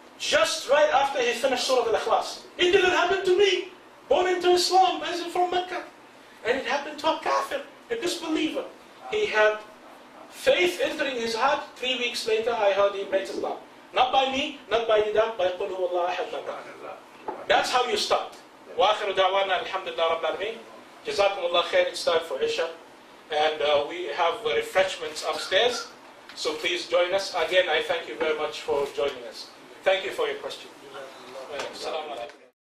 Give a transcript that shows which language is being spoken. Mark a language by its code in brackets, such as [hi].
[en] Just right after he finished Surah Al-Ikhlas. It didn't happen to me. Born into Islam, as in from Mecca. And it happened to a kafir, a disbeliever. He had faith entering his heart. 3 weeks later, I heard he made Islam. Not by me, not by Didab, by Qul Huwa Allah Ahad. That's how you start. [ar] وآخر دعوانا الحمد لله رب العالمين. جزاكم الله خير. [en] It's time for Isha. And we have refreshments upstairs. So please join us. Again, I thank you very much for joining us. Thank you for your question. Assalamu alaikum.